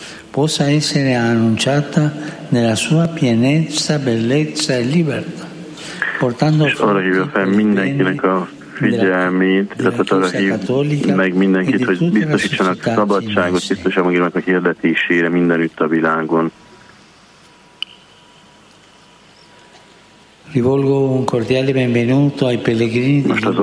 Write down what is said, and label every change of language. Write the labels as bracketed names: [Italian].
[Italian] Possa essere annunciata nella sua pienezza, bellezza e libertà. [Hungarian] és arra hívja fel mindenkinek a figyelmét, illetve arra hív meg mindenkit, hogy biztosítsanak szabadságot, biztosítsanak a hirdetésére mindenütt a világon. [Italian] Rivolgo un cordiale benvenuto ai pellegrini di